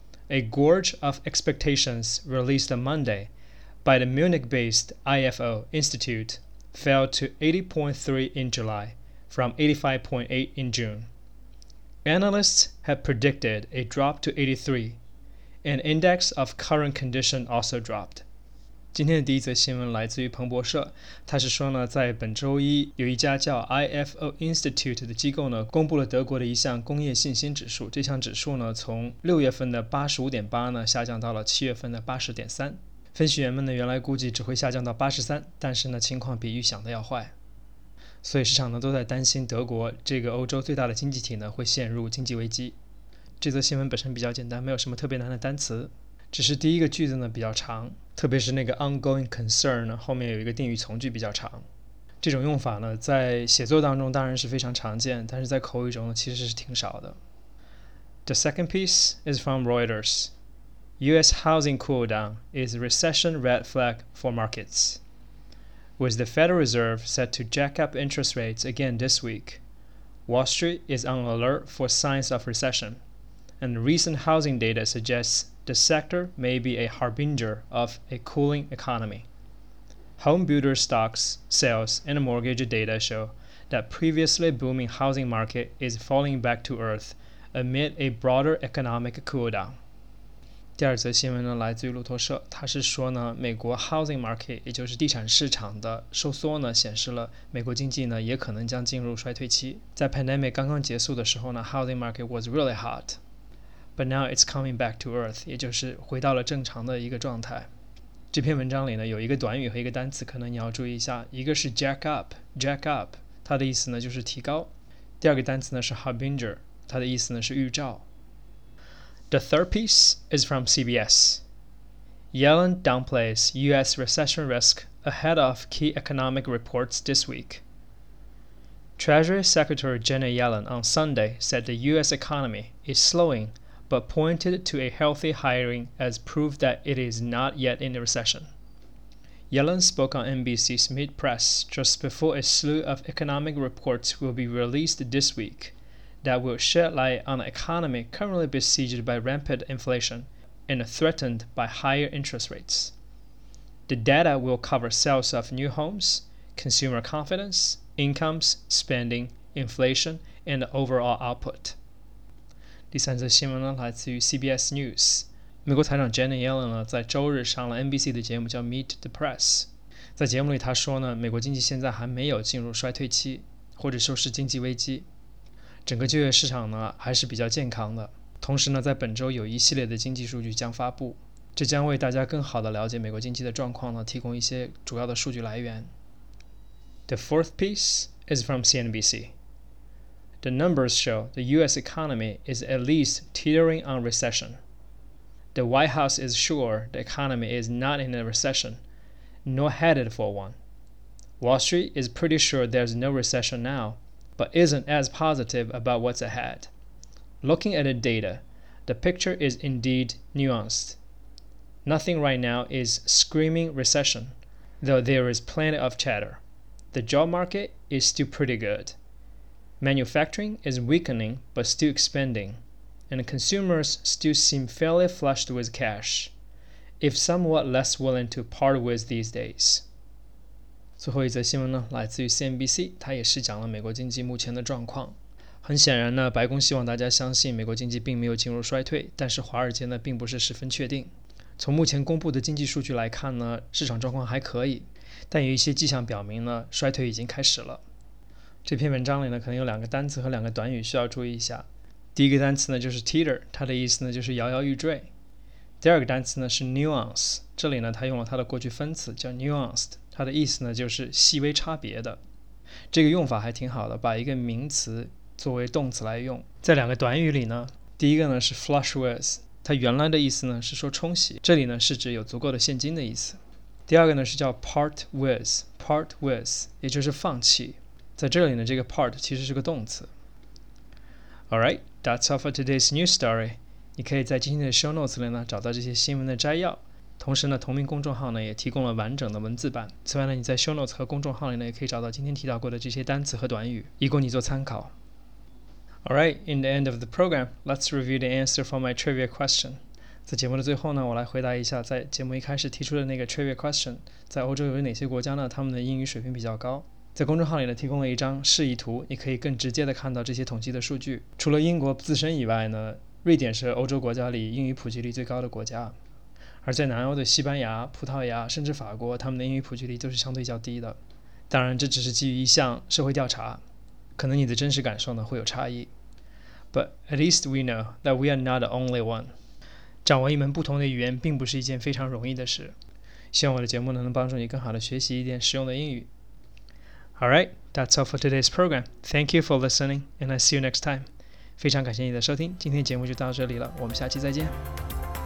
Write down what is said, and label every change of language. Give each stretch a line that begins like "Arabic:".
English: A gorge of expectations released on Monday by the Munich-based IFO Institute fell to 80.3 in July from 85.8 in June. Analysts had predicted a drop to 83, an index of current condition also dropped.
Chinese: 今天的第一则新闻来自于彭博社，他是说呢，在本周一，有一家叫 IFO Institute 的机构呢，公布了德国的一项工业信心指数。这项指数呢，从六月份的 85.8 呢，下降到了七月份的 80.3。分析员们呢，原来估计只会下降到83，但是呢，情况比预想的要坏。所以市场呢都在担心德国这个欧洲最大的经济体呢会陷入经济危机。这则新闻本身比较简单，没有什么特别难的单词，只是第一个句子呢比较长，特别是那个 ongoing concern 呢后面有一个定语从句比较长。这种用法呢在写作当中当然是非常常见，但是在口语中呢其实是挺少的。
English: The second piece is from Reuters. US housing cool down is recession red flag for markets. With the Federal Reserve set to jack up interest rates again this week, Wall Street is on alert for signs of recession, and recent housing data suggests the sector may be a harbinger of a cooling economy. Home builder stocks, sales, and mortgage data show that previously booming housing market is falling back to earth amid a broader economic cooldown.
Chinese: 第二则新闻呢来自于路透社，它是说呢美国 housing market 也就是地产市场的收缩呢显示了美国经济呢也可能将进入衰退期。在 pandemic 刚刚结束的时候呢
English: housing market was really hot, but now it's coming back to earth,
Chinese: 也就是回到了正常的一个状态。这篇文章里呢有一个短语和一个单词可能你要注意一下，一个是 jack up, 它的意思呢就是提高。第二个单词呢是 harbinger, 它的意思呢是预兆。
English: The third piece is from CBS. Yellen downplays U.S. recession risk ahead of key economic reports this week. Treasury Secretary Janet Yellen on Sunday said the U.S. economy is slowing but pointed to a healthy hiring as proof that it is not yet in a recession. Yellen spoke on NBC's Mid Press just before a slew of economic reports will be released this week. That will shed light on an economy currently besieged by rampant inflation and threatened by higher interest rates. The data will cover sales of new homes, consumer confidence, incomes, spending, inflation, and overall output.
Chinese: 第三则新闻呢来自于 CBS News. 美国财长 Janet Yellen 呢在周日上了 NBC 的节目叫 Meet the Press. 在节目里他说呢美国经济现在还没有进入衰退期或者说是经济危机。整个就业市场呢还是比较健康的，同时呢在本周有一系列的经济数据将发布，这将为大家更好的了解美国经济的状况呢提供一些主要的数据来源。
English: The fourth piece is from CNBC. The numbers show the US economy is at least teetering on recession. The White House is sure the economy is not in a recession, nor headed for one. Wall Street is pretty sure there's no recession now,but isn't as positive about what's ahead. Looking at the data, the picture is indeed nuanced. Nothing right now is screaming recession, though there is plenty of chatter. The job market is still pretty good. Manufacturing is weakening but still expanding, and consumers still seem fairly flushed with cash, if somewhat less willing to part with these days.
Chinese: 最后一则新闻呢，来自于 CNBC， 它也是讲了美国经济目前的状况。很显然呢，白宫希望大家相信美国经济并没有进入衰退，但是华尔街呢并不是十分确定。从目前公布的经济数据来看呢，市场状况还可以，但有一些迹象表明呢，衰退已经开始了。这篇文章里呢，可能有两个单词和两个短语需要注意一下。第一个单词呢就是 teeter， 它的意思呢就是摇摇欲坠。第二个单词呢是 nuance， 这里呢它用了它的过去分词叫 nuanced， 它的意思呢就是细微差别的。这个用法还挺好的，把一个名词作为动词来用。在两个短语里呢，第一个呢是 flush with， 它原来的意思呢是说冲洗，这里呢是指有足够的现金的意思。第二个呢是叫 part with， 也就是放弃。在这里呢，这个 part 其实是个动词。
English: All right, that's all for today's news story.
Chinese: 你可以在今天的 show notes 里呢找到这些新闻的摘要，同时呢同名公众号呢也提供了完整的文字版。此外呢，你在 show notes 和公众号里呢也可以找到今天提到过的这些单词和短语，以供你做参考。
English: All right, in the end of the program, let's review the answer for my trivia question.
Chinese: 在节目的最后呢，我来回答一下在节目一开始提出的那个 trivia question， 在欧洲有哪些国家呢他们的英语水平比较高。在公众号里呢提供了一张示意图，你可以更直接的看到这些统计的数据。除了英国自身以外呢，瑞典是欧洲国家里英语普及率最高的国家，而在南欧的西班牙、葡萄牙甚至法国，他们的英语普及率都是相对较低的。当然这只是基于一项社会调查，可能你的真实感受呢会有差异。
English: But at least we know that we are not the only one.
Chinese: 掌握一门不同的语言并不是一件非常容易的事。希望我的节目呢能帮助你更好的学习一点实用的英语。
English: All right, that's all for today's program. Thank you for listening, and I'll see you next time.
Chinese: 非常感谢你的收听，今天节目就到这里了，我们下期再见。